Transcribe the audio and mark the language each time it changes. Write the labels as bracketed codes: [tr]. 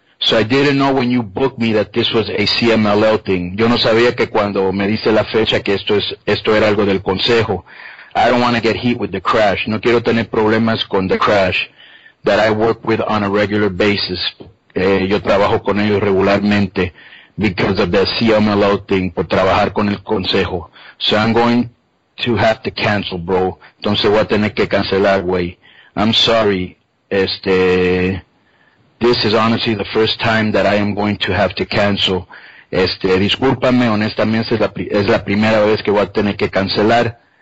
[en] So I didn't know when you booked me that this was a CMLL thing. [es] Yo no sabía que cuando me diste la fecha que esto era algo del consejo. [en] I don't want to get hit with the crash. [es] No quiero tener problemas con [en] the crash that I work with on a regular basis. [es] Yo trabajo con ellos regularmente [en] because of the CMLL thing, [es] por trabajar con el consejo. [en] So I'm going to have to cancel, bro. [es] Entonces voy a tener que cancelar, güey. [en] I'm sorry, this is honestly the first time that I am going to have to cancel. [es] Discúlpame, honestamente, es la primera vez que voy a tener que cancelar.